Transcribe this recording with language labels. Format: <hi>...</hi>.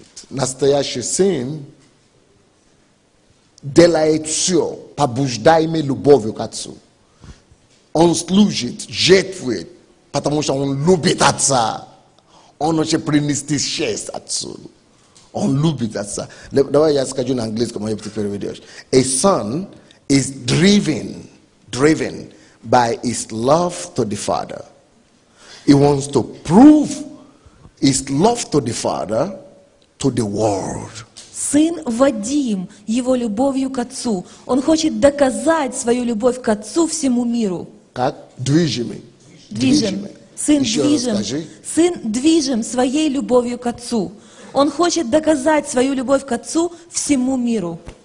<ru>Настоящий сын делает все, побуждаемый любовью к отцу. Он служит, жертвует, потому что он любит отца. Он хочет принести честь отцу. Он любит отца. Давай я скажу на английском, я бы переведешь.</ru> <en>A son is driven by his love to the father. He wants to prove his love to the father to the world.</en> <ru>Сын Вадим, его любовью к отцу. Он хочет доказать свою любовь к отцу всему миру. Как? Движимый. Сын движим своей любовью к отцу. Он хочет доказать свою любовь к отцу всему миру.</ru>